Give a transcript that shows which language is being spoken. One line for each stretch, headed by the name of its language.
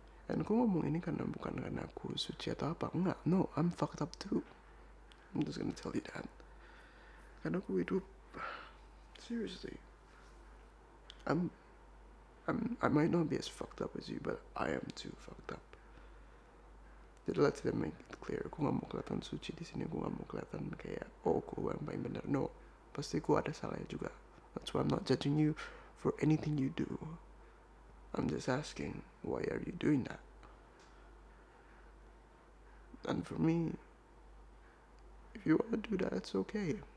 Indonesian: Dan aku ngomong ini karena bukan karena aku suci atau apa, enggak,
English: no, I'm fucked up too. I'm just gonna tell you that.
Indonesian: Karena aku hidup,
English: seriously, I might not be as fucked up as you, but I am too fucked up.
Indonesian: Jadi
English: let's just make it clear,
Indonesian: aku gak mau kelihatan suci di sini, aku gak mau kelihatan kayak, oh, aku yang paling benar. No, pasti aku ada salahnya juga.
English: That's why I'm not judging you for anything you do. I'm just asking, why are you doing that? And for me, if you wanna do that, it's okay.